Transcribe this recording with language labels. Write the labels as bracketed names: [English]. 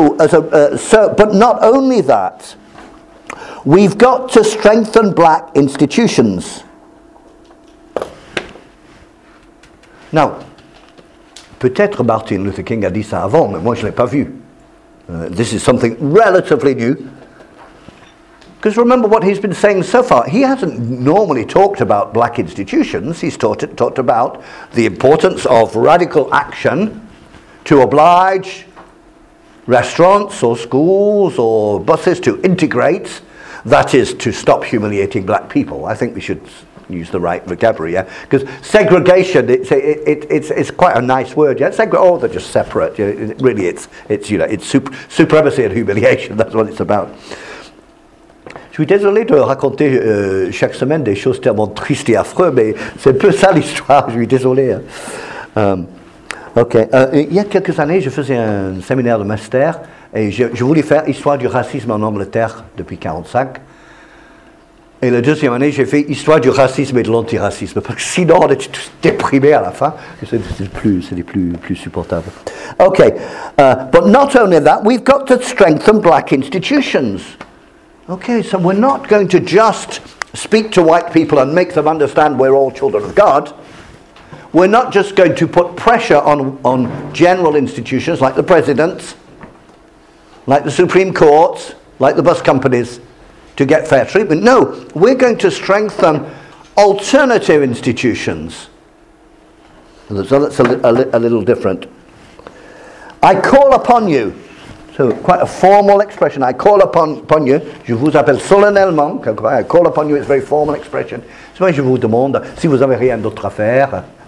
[English] But not only that, we've got to strengthen black institutions. [French] Now, peut-être Martin Luther King a dit ça avant, mais moi je ne l'ai pas vu. [English] This is something relatively new. Because remember what he's been saying so far. He hasn't normally talked about black institutions. He's talked about the importance of radical action to oblige restaurants or schools or buses to integrate. That is, to stop humiliating black people. I think we should use the right vocabulary, yeah? Because segregation, it's quite a nice word, yeah? They're just separate. Yeah? Really, it's supremacy and humiliation. That's what it's about. [French] Je suis désolé de raconter chaque semaine des choses tellement tristes et affreuses, mais c'est un peu ça l'histoire, je suis désolé. Il y a quelques années, je faisais un séminaire de master, et je voulais faire Histoire du racisme en Angleterre depuis 1945. Et la deuxième année, j'ai fait Histoire du racisme et de l'antiracisme. Parce que sinon, on était tous déprimés à la fin. C'était plus supportable. [English] But not only that, we've got to strengthen black institutions. Okay, so we're not going to just speak to white people and make them understand we're all children of God. We're not just going to put pressure on general institutions like the presidents, like the Supreme Courts, like the bus companies, to get fair treatment. No, we're going to strengthen alternative institutions. So that's a little different. I call upon you. So quite a formal expression. I call upon you. [French] Je vous appelle solennellement. [English] I call upon you. It's a very formal expression. [French] C'est moi, je vous demande si vous avez rien d'autre à faire.